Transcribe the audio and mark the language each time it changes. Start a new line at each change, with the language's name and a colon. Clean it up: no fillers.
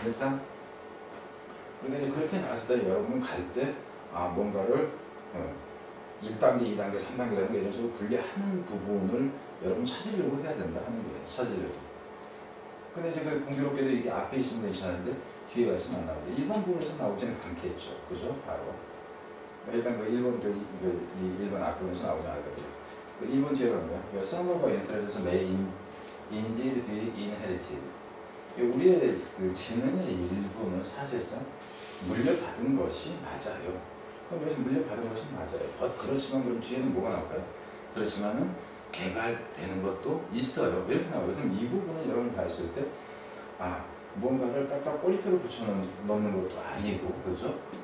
Korean: 일단 그러니까 이제 그렇게 나왔을 때 여러분 갈 때 뭔가를 1단계, 2단계, 3단계라든가 이런 식으로 분리하는 부분을 여러분 찾으려고 해야 된다 하는 거예요. 찾으려고. 근데 이제 그 공교롭게도 이게 앞에 있으면 괜찮은데 뒤에 가 있으면 안 나오죠. 1번 부분에서 나오지는 않겠죠. 그죠? 바로. 일단 그 1번, 1번 앞부분에서 나오지 않을 것 같아요. 그 1번 뒤에 가면 뭐야?
English: Some of our intelligence may indeed be inherited.
Korean: 우리의 그 지능의 일부는 사실상 물려받은 것이 맞아요. 그럼 여기서 물려받은 것이 맞아요. 그렇지만 그럼 뒤에는 뭐가 나올까요? 그렇지만은 개발되는 것도 있어요. 이렇게 나와요. 그럼 이 부분은 여러분 봤을 때 뭔가를 딱딱 꼬리표로 붙여넣는 것도 아니고 그죠?